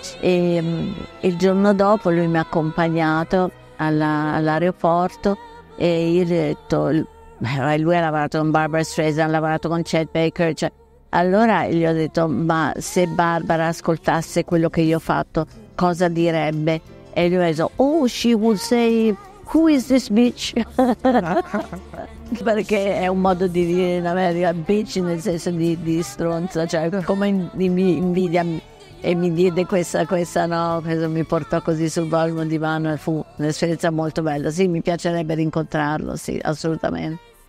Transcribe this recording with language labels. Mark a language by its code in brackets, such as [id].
[it] E il giorno dopo lui mi ha accompagnato all'aeroporto e io gli ho detto, lui ha lavorato con Barbara Streisand, ha lavorato con Chet Baker, cioè, allora gli ho detto, ma se Barbara ascoltasse quello che io ho fatto cosa direbbe? E lui ha detto, [en] oh, she would say, who is this bitch? [it] Perché è un modo di dire in America bitch, nel senso di stronza, cioè come mi invidia, e mi diede questa no, questa, mi portò così sul volo di mano, e fu un'esperienza molto bella. Sì, mi piacerebbe rincontrarlo, sì, assolutamente.